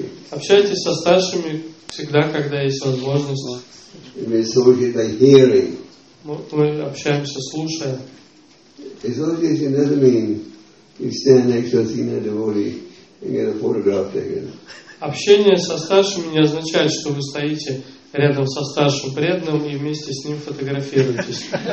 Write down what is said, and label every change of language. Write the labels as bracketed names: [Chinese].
[Russian] Общайтесь со старшими всегда, когда есть возможность. Мы общаемся, слушая. [English] Association doesn't mean you stand next to a senior devotee and get a photograph taken. [Russian] Общение со старшими не означает, что вы стоите рядом со старшим преданным и вместе с ним фотографируетесь.